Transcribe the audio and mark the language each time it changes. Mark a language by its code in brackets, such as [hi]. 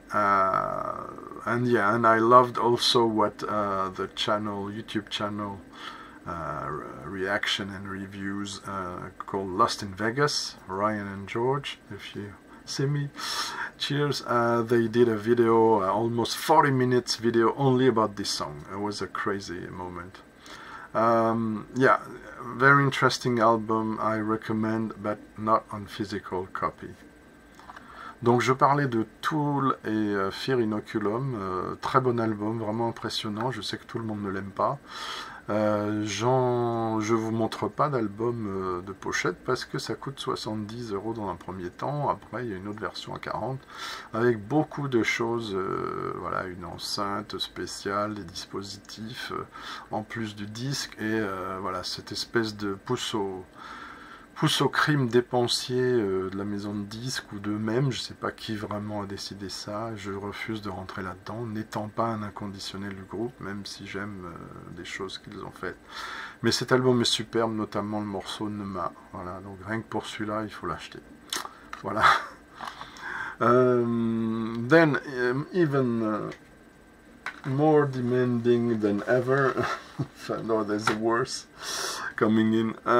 [en] And yeah, and I loved also what the channel, YouTube channel, reaction and reviews called Lost in Vegas, Ryan and George, if you see me, cheers. They did a video, almost 40 minutes video, only about this song. It was a crazy moment. Yeah, very interesting album, I recommend, but not on physical copy. [fr] Donc je parlais de Tool et Fear Inoculum, très bon album, vraiment impressionnant, je sais que tout le monde ne l'aime pas. Je vous montre pas d'album de pochette parce que ça coûte 70 euros dans un premier temps, après il y a une autre version à 40 avec beaucoup de choses, voilà, une enceinte spéciale, des dispositifs en plus du disque et voilà cette espèce de pousse au crime dépensier de la maison de disque ou d'eux-mêmes, je sais pas qui vraiment a décidé ça, je refuse de rentrer là-dedans, n'étant pas un inconditionnel du groupe, même si j'aime des choses qu'ils ont faites. Mais cet album est superbe, notamment le morceau Numa, voilà, donc rien que pour celui-là, il faut l'acheter. Voilà. [en] Then, even more demanding than ever, no, there's a worse coming in.